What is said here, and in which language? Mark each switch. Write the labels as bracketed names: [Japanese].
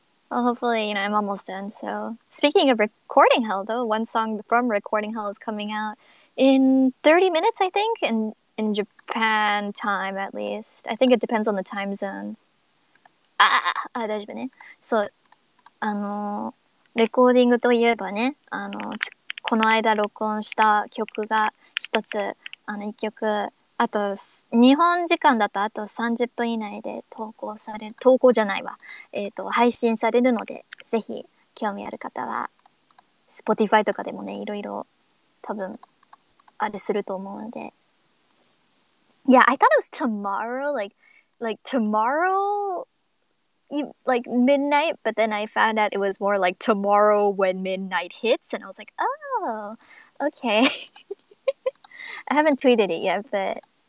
[English] Well, hopefully, you know, I'm almost done, so... Speaking of Recording Hell, though, one song from Recording Hell is coming out in 30 minutes, I think, in Japan time, at least. I think it depends on the time zones. [Japanese] Ah, 大丈夫ね。 So, レコーディングといえばね、この間録音した曲が一つ、一曲、あと、日本時間だとあと30分以内で投稿じゃないわ。配信されるので、ぜひ、興味ある方は、Spotify とかでもね、いろいろ、多分、あれすると思うので。 [English] Yeah, I thought it was tomorrow, like tomorrow, like midnight, but then I found out it was more like tomorrow when midnight hits, and I was like, oh, okay. I haven't tweeted it yet, but...